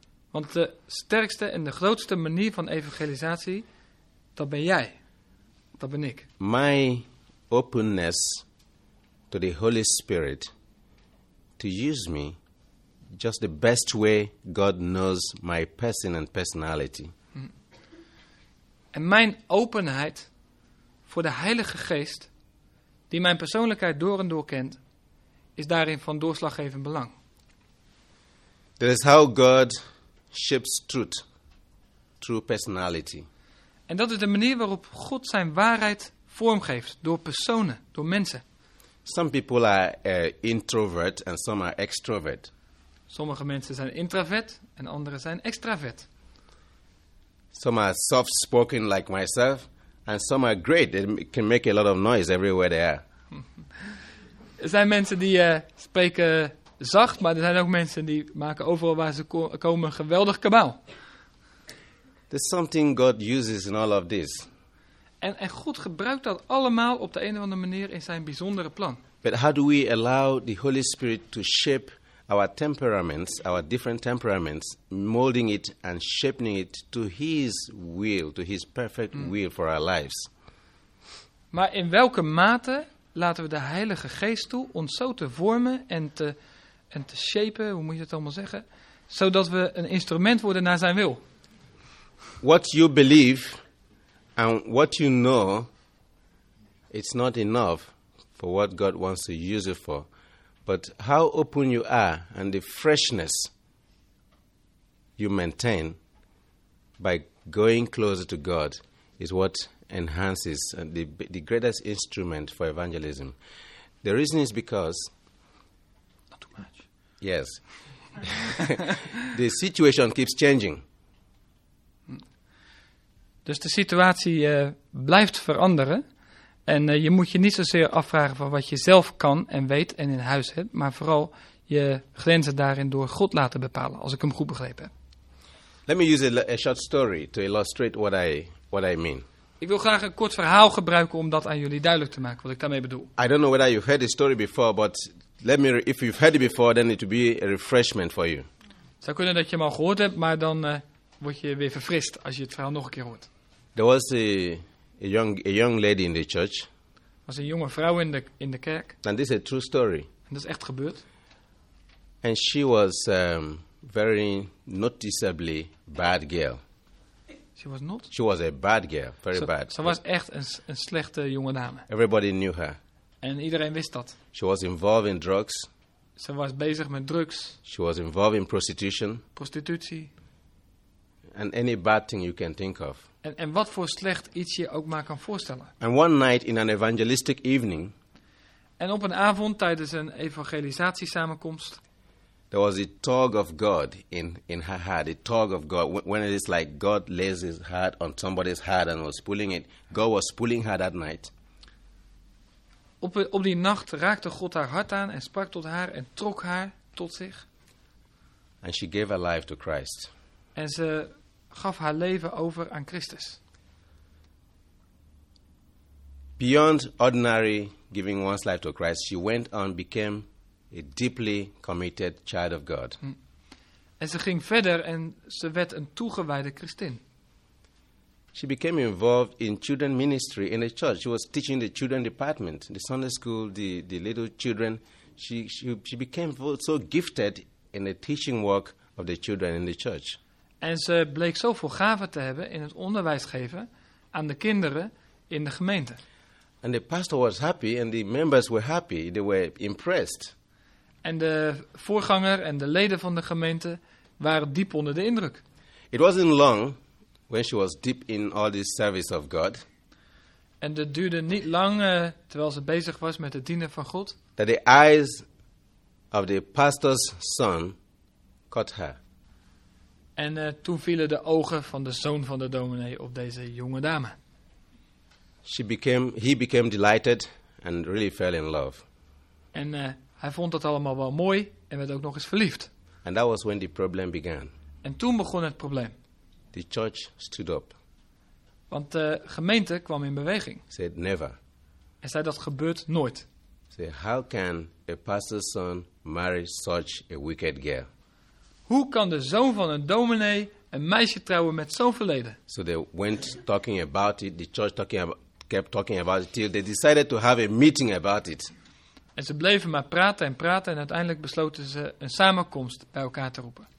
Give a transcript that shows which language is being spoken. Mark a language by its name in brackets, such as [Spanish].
[Dutch] Want de sterkste en de grootste manier van evangelisatie, dat ben jij, dat ben ik. [English] My openness to the Holy Spirit to use me just the best way God knows my person and personality. [Dutch] En mijn openheid voor de Heilige Geest die mijn persoonlijkheid door en door kent is daarin van doorslaggevend belang. [English] That is how God shapes truth through personality. [Dutch] En dat is de manier waarop God zijn waarheid vormgeeft door personen, door mensen. [English] Some people are introvert and some are extrovert. [Dutch] Sommige mensen zijn introvert en andere zijn extravert. [English] Some are soft spoken like myself and some are great. They can make a lot of noise everywhere they are. [Dutch] Er zijn mensen die spreken zacht, maar er zijn ook mensen die maken overal waar ze komen geweldig kabaal. [English] There's something God uses in all of this. [Dutch] En God gebruikt dat allemaal op de een of andere manier in zijn bijzondere plan. [English] But how do we allow the Holy Spirit to shape our temperaments, our different temperaments, molding it and shaping it to His will, to His perfect will for our lives? [Dutch] Maar in welke mate laten we de Heilige Geest toe ons zo te vormen en te shapen, hoe moet je dat allemaal zeggen, zodat we een instrument worden naar zijn wil? [English] What you believe and what you know, it's not enough for what God wants to use it for. But how open you are and the freshness you maintain by going closer to God is what enhances the greatest instrument for evangelism. The reason is because... Not too much. Yes. The situation keeps changing. [Dutch] Dus de situatie blijft veranderen. En je moet je niet zozeer afvragen van wat je zelf kan en weet en in huis hebt. Maar vooral je grenzen daarin door God laten bepalen, als ik hem goed begrepen heb. [English] Let me use a short story to illustrate what I mean. [Dutch] Ik wil graag een kort verhaal gebruiken om dat aan jullie duidelijk te maken, wat ik daarmee bedoel. [English] I don't know whether you've heard the story before, but if you've heard it before, then it will be a refreshment for you. [Dutch] Het zou kunnen dat je hem al gehoord hebt, maar dan word je weer verfrist als je het verhaal nog een keer hoort. [English] There was a young lady in the church. [Dutch] Was een jonge vrouw in de kerk. [English] And this is a true story. [Dutch] En dat is echt gebeurd. [English] And she was very noticeably bad girl. She was a bad girl, very bad. [Dutch] Ze was echt een slechte jonge dame. [English] Everybody knew her. [Dutch] En iedereen wist dat. [English] She was involved in drugs. [Dutch] Ze was bezig met drugs. [English] She was involved in prostitution. [Dutch] Prostitutie. [English] And any bad thing you can think of. [Dutch] En wat voor slecht iets je ook maar kan voorstellen. [English] And one night in an evangelistic evening. [Dutch] En op een avond tijdens een evangelisatiesamenkomst. [English] There was a tug of God in her heart, a tug of God. When it is like God lays his heart on somebody's heart and was pulling it, God was pulling her that night. [Dutch] Op die nacht raakte God haar hart aan en sprak tot haar en trok haar tot zich. [English] And she gave her life to Christ. [Dutch] En ze gaf haar leven over aan Christus. [English] Beyond ordinary giving one's life to Christ, she went on and became a deeply committed child of God. [Dutch] En ze ging verder en ze werd een toegewijde christin. [English] She became involved in children ministry in the church. She was teaching the children department, the Sunday school, the little children. She became so gifted in the teaching work of the children in the church. [Dutch] En ze bleek zoveel gaven te hebben in het onderwijs geven aan de kinderen in de gemeente. [English] And the pastor was happy and the members were happy. They were impressed. [Dutch] En de voorganger en de leden van de gemeente waren diep onder de indruk. [English] It wasn't long when she was deep in all this service of God. [Dutch] En het duurde niet lang terwijl ze bezig was met het dienen van God. [English] That the eyes of the pastor's son caught her. [Dutch] En toen vielen de ogen van de zoon van de dominee op deze jonge dame. [English] He became delighted and really fell in love. [Dutch] En hij vond dat allemaal wel mooi en werd ook nog eens verliefd. [English] And that was when the problem began. [Dutch] En toen begon het probleem. [English] The church stood up. [Dutch] Want de gemeente kwam in beweging. [English] Said never. [Dutch] En zei dat gebeurt nooit. [English] Say, how can a pastor's son marry such a wicked girl? [Dutch] Hoe kan de zoon van een dominee een meisje trouwen met zo'n verleden? [English] So they went talking about it. The church kept talking about it till they decided to have a meeting about it. [Dutch] En ze bleven maar praten en praten en uiteindelijk besloten ze een samenkomst bij elkaar te roepen.